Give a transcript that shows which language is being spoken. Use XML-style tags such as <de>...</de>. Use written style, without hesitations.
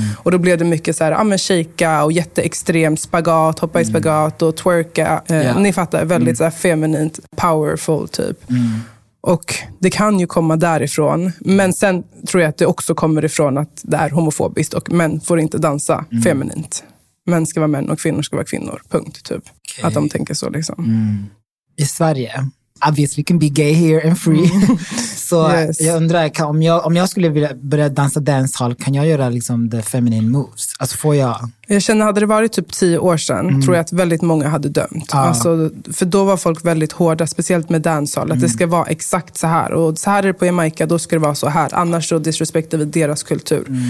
<sv>Och då blev det mycket så här, ja men shakea och jätteextrem spagat, hoppa i spagat och twerka. Ni fattar, väldigt så här feminint, powerful typ. Och det kan ju komma därifrån. Men sen tror jag att det också kommer ifrån att det är homofobiskt och män får inte dansa feminint. Män ska vara män och kvinnor ska vara kvinnor. Punkt, typ. Okay. Att de tänker så, liksom. Mm. I Sverige,</sv> <en>obviously can be gay here and free.</en> <sv>Så yes. Jag undrar, om jag skulle vilja börja dansa dancehall, kan jag göra liksom</sv> <en>the feminine moves?</en> <sv>Alltså får jag... Jag känner, hade det varit typ 10 år sedan tror jag att väldigt många hade dömt. Ah. Alltså, för då var folk väldigt hårda, speciellt med dancehall, att det ska vara exakt så här. Och så här är det på Jamaica, då ska det vara så här. Annars så disrespektar vi deras kultur.</sv>